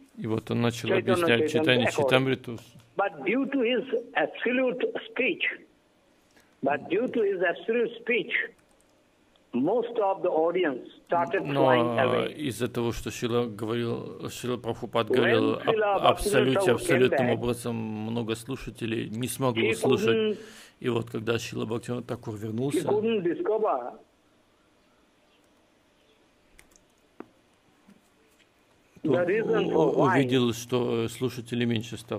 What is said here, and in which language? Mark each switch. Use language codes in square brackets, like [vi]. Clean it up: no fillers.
[ru] И вот он начал объяснять читание Чайтамриту. [en] But due to his absolute speech, most of the audience started flying away. [ru] Из-за того, что Шрила Прабхупад говорил абсолютным образом, много слушателей не смогло слушать. И вот когда Шрила Бхактивинода Такур вернулся, увидел, что слушателей меньше стало.